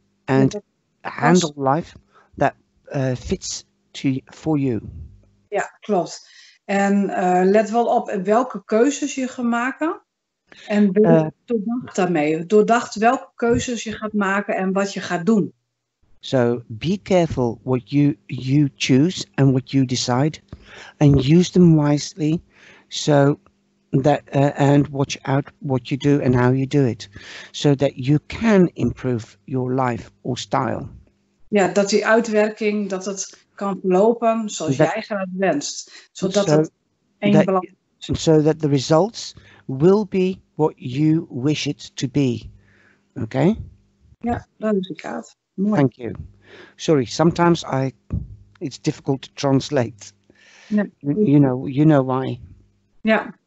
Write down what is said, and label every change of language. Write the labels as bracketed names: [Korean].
[English] And handle life that fits for you. [Dutch] Ja, klopt. En let wel op welke keuzes je gaat maken. En doordacht daarmee. Doordacht welke keuzes je gaat maken en wat je gaat doen. [English] So be careful what you choose and what you decide, and use them wisely, so that and watch out what you do and how you do it, so that you can improve your life or style. [Dutch] Ja, dat die uitwerking dat het kan verlopen zoals jij graag wenst, zodat het één belang. [English] So that the results will be what you wish it to be. Okay. [Dutch] Ja, dat is het kaart. Mooi. [English] Thank you. Sorry, sometimes it's difficult to translate. [Dutch] Nee. [English] You know why. Yeah.